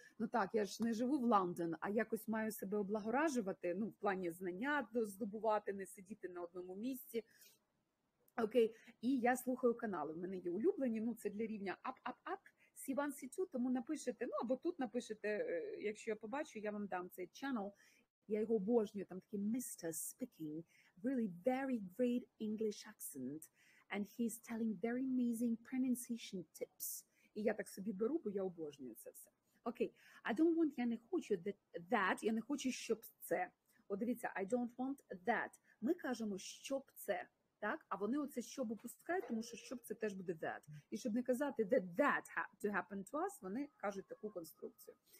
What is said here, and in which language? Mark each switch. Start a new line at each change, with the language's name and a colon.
Ukrainian: Ну так, я ж не живу в Лондон, а якось маю себе облагороджувати, ну, в плані знання здобувати, не сидіти на одному місці. Окей, і я слухаю канали, в мене є улюблені, ну, це для рівня up, C1, C2, тому напишете, ну, або тут напишете, якщо я побачу, я вам дам цей channel. Я його обожнюю, там такий Mr.
English: Speaking, really very great English accent, and he's telling very amazing pronunciation tips.
Ukrainian: І я так собі беру, бо я обожнюю це все. Окей,
English: okay. I don't want,
Ukrainian: я не хочу that, я не хочу, щоб це. От дивіться,
English: I don't want that.
Ukrainian: Ми кажемо, щоб це, так? А вони оце щоб опускають, тому що щоб це теж буде that. І щоб не казати
English: that to happen to us,
Ukrainian: вони кажуть таку конструкцію.